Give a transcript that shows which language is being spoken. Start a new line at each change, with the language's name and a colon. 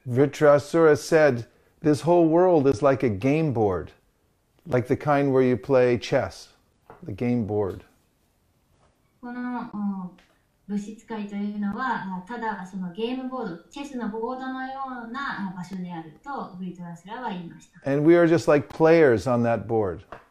English: Vritrasura said, "This whole world is like a game board, like the kind where you play chess, the game board."
Japanese: この物質界というのは、ただそのゲームボード、チェスのボードのような場所であるとブリトラスラは言いました。
English: And we are just like players on that board.